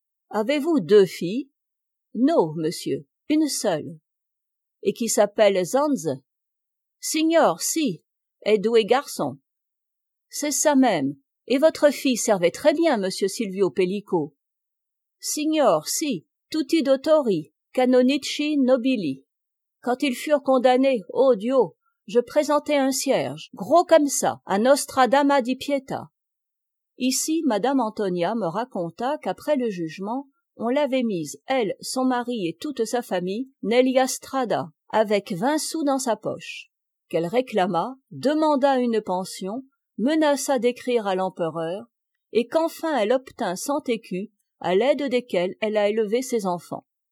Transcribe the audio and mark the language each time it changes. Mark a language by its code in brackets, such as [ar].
[fr] Avez-vous 2 filles? Non, monsieur, 1 seule. Et qui s'appelle Zanz? [it] Signor, si, [fr] et 2 garçons. C'est ça même, et votre fille servait très bien, monsieur Silvio Pellico. [it] Signor, si, tutti dottori, canonici nobili. [fr] Quand ils furent condamnés, [it] oh Dio! [fr] Je présentai un cierge, gros comme ça, à Nostra Dama di Pietà. Ici, Madame Antonia me raconta qu'après le jugement, on l'avait mise, elle, son mari et toute sa famille, [it] Nelia Strada, [fr] avec 20 sous dans sa poche, qu'elle réclama, demanda une pension, menaça d'écrire à l'empereur, et qu'enfin elle obtint 100 écus, à l'aide desquels elle a élevé ses enfants.